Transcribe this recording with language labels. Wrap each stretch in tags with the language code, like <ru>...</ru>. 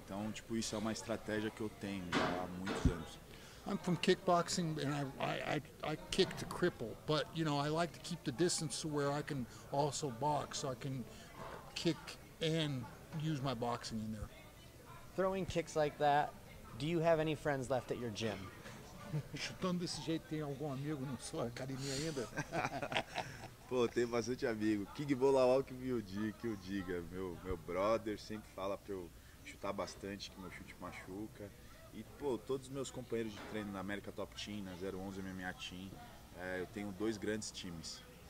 <pt>Então, isso é uma estratégia que eu tenho já há muitos anos.</pt> <en>I'm from kickboxing and I kick to cripple, but I like to keep the distance to where I can also box, so I can kick and use my boxing in there. Throwing kicks like that, do you have any friends left at your gym?</en> <pt>Chutando desse jeito, tem algum amigo na sua academia ainda? Pô, tem bastante amigo. King Bolawal que me odia, que eu diga. Meu brother sempre fala pra eu chutar bastante, que meu chute machuca. E, pô, todos os meus companheiros de treino na América Top Team, na 011 MMA Team, eu tenho dois grandes times.</pt>